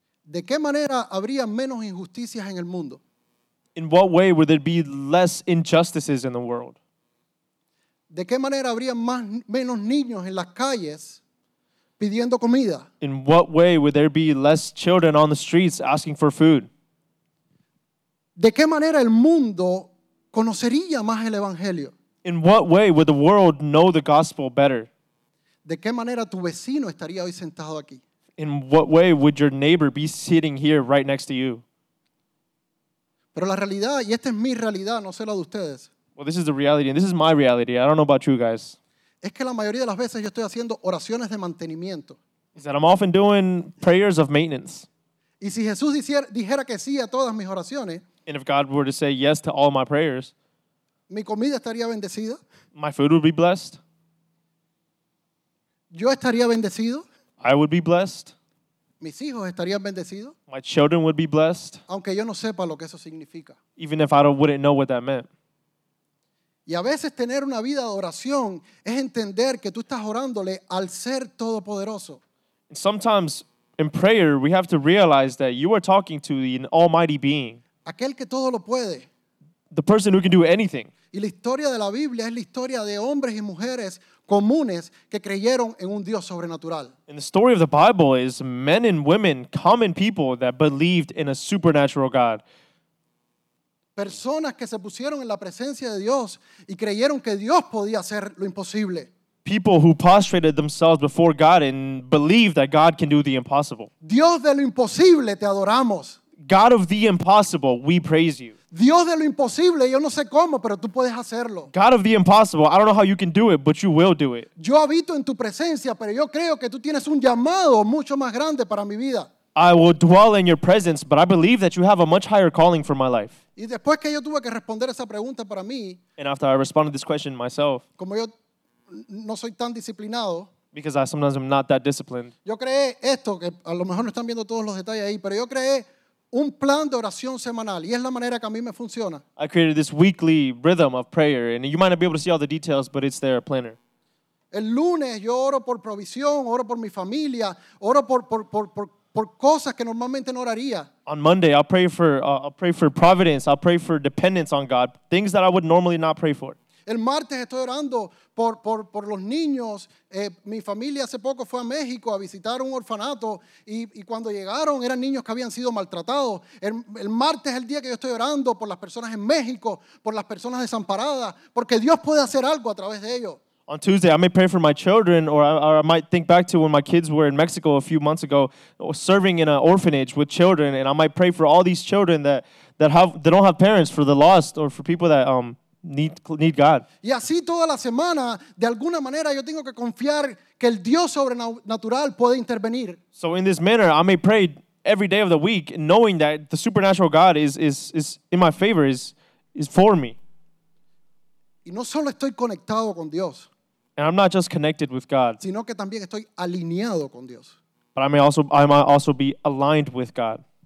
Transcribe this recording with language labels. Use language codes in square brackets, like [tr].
[es] ¿De qué manera habría menos injusticias en el mundo? [en] In what way would there be less injustices in the world? [es] ¿De qué manera habría menos niños en las calles pidiendo comida? [en] In what way would there be less children on the streets asking for food? [es] ¿De qué manera el mundo conocería más el evangelio? [en] In what way would the world know the gospel better? [es] ¿De qué manera tu vecino estaría hoy sentado aquí? [en] In what way would your neighbor be sitting here right next to you? [es] Pero la realidad, y esta es mi realidad, no sé la de ustedes. [en] Well, this is the reality, and this is my reality. I don't know about you guys. [es] Es que la mayoría de las veces yo estoy haciendo oraciones de mantenimiento. [en] Is that I'm often doing prayers of maintenance. [es] Y si Jesús dijera que sí a todas mis oraciones, [en] and if God were to say yes to all my prayers, [es] mi comida estaría bendecida. [en] My food would be blessed. [es] Yo estaría bendecido. [en] I would be blessed. [es] Mis hijos estarían bendecidos. [en] My children would be blessed. [es] Aunque yo no sepa lo que eso significa. [en] Even if I wouldn't know what that meant. [es] Y a veces tener una vida de oración es entender que tú estás orándole al ser todopoderoso. [en] Sometimes in prayer we have to realize that you are talking to the almighty being. [es] Aquel que todo lo puede. [en] The person who can do anything. [es] Y la historia de la Biblia es la historia de hombres y mujeres comunes que creyeron en un Dios sobrenatural. [en] And the story of the Bible is men and women, common people that believed in a supernatural God. [es] Personas que se pusieron en la presencia de Dios y creyeron que Dios podía hacer lo imposible. [en] People who prostrated themselves before God and believed that God can do the impossible. [es] Dios de lo imposible, te adoramos. [en] God of the impossible, we praise you. [es] Dios de lo imposible, yo no sé cómo, pero tú puedes hacerlo. [en] God of the impossible, I don't know how you can do it, but you will do it. [es] Yo habito en tu presencia, pero yo creo que tú tienes un llamado mucho más grande para mi vida. [en] I will dwell in your presence, but I believe that you have a much higher calling for my life. [es] Y después que yo tuve que responder esa pregunta para mí, [en] and after I responded this question myself, [es] como yo no soy tan disciplinado, [en] because I sometimes am not that disciplined, [es] yo creé esto, que a lo mejor no están viendo todos los detalles ahí, pero yo creé un plan de oración semanal, y es la manera que a mí me funciona. [en] I created this weekly rhythm of prayer, and you might not be able to see all the details, but it's there, planner. [es] El lunes yo oro por provisión, oro por mi familia, oro por cosas que normalmente no oraría. [en] On Monday, I'll pray for providence, I'll pray for dependence on God, things that I would normally not pray for. [es] El martes estoy orando por los niños. Mi familia hace poco fue a México a visitar un orfanato y cuando llegaron eran niños que habían sido maltratados. El martes es el día que yo estoy orando por las personas en México, por las personas desamparadas, porque Dios puede hacer algo a través de ellos. [en] On Tuesday, I may pray for my children, or I might think back to when my kids were in Mexico a few months ago, serving in an orphanage with children, and I might pray for all these children that don't have parents, for the lost, or for people that need God. [es] Y así toda la semana, de alguna manera, yo tengo que confiar que el Dios sobrenatural puede intervenir. [en] So in this manner, I may pray every day of the week, knowing that the supernatural God is in my favor, is for me. [es] Y no solo estoy conectado con Dios, [en] and I'm not just connected with God, [es] sino que también estoy alineado con Dios. [en] But I might also be aligned with God.